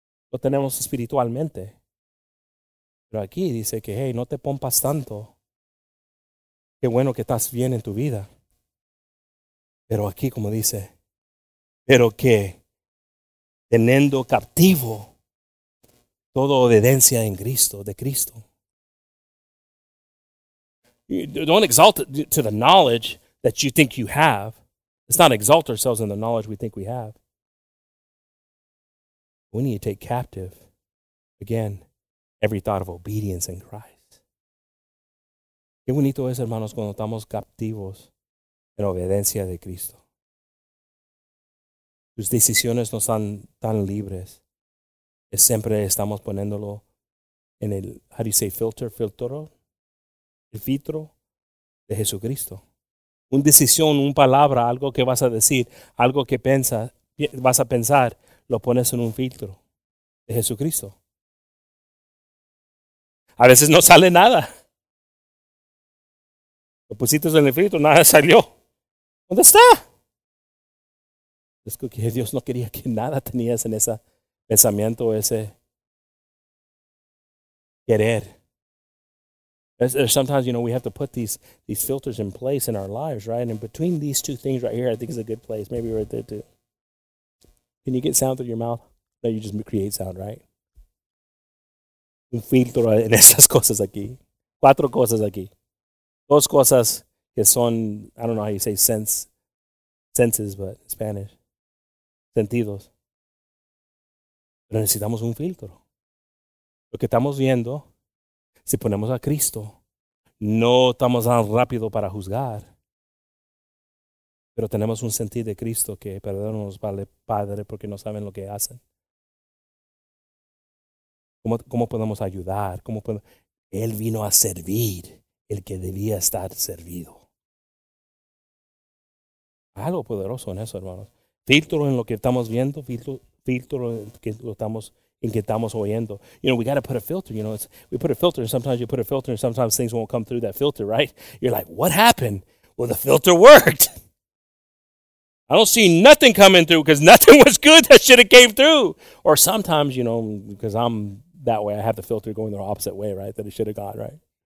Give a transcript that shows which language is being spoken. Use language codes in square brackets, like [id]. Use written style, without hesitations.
[es] lo tenemos espiritualmente. Pero aquí dice que, hey, no te pompas tanto. Qué bueno que estás bien en tu vida. Pero aquí, como dice, pero que teniendo cautivo toda obediencia en Cristo, de Cristo. [en] Don't exalt to the knowledge that you think you have. Let's not exalt ourselves in the knowledge we think we have. We need to take captive, again, every thought of obedience in Christ. [es] Qué bonito es, hermanos, cuando estamos captivos en obediencia de Cristo. Sus decisiones no están tan libres. Es siempre estamos poniéndolo en el, [en] how do you say, [es] filtro? El filtro de Jesucristo. Una decisión, una palabra, algo que vas a decir, algo que vas a pensar, lo pones en un filtro de Jesucristo. A veces no sale nada. Lo pusiste en el filtro, nada salió. ¿Dónde está? Es que Dios no quería que nada tenías en ese pensamiento, ese querer. [en] There's sometimes, you know, we have to put these filters in place in our lives, right? And between these two things right here, I think is a good place. Maybe right there too. Can you get sound through your mouth? No, you just create sound, right? [es] Un filtro en esas cosas aquí. Cuatro cosas aquí. Dos cosas que son, [en] I don't know how you say senses, but Spanish, sentidos. [es] Pero necesitamos un filtro. Lo que estamos viendo, si ponemos a Cristo, no estamos tan rápido para juzgar. Pero tenemos un sentir de Cristo que perdónanos, Padre, porque no saben lo que hacen. ¿Cómo podemos ayudar? Él vino a servir el que debía estar servido. Algo poderoso en eso, hermanos. Filtro en lo que estamos viendo, filtro en que estamos oyendo. [en] You know, we got to put a filter, you know. We put a filter, and sometimes you put a filter, and sometimes things won't come through that filter, right? You're like, what happened? Well, the filter worked. I don't see nothing coming through because nothing was good that should have came through. Or sometimes, you know, because I'm that way, I have the filter going the opposite way, right, that it should have gone, right?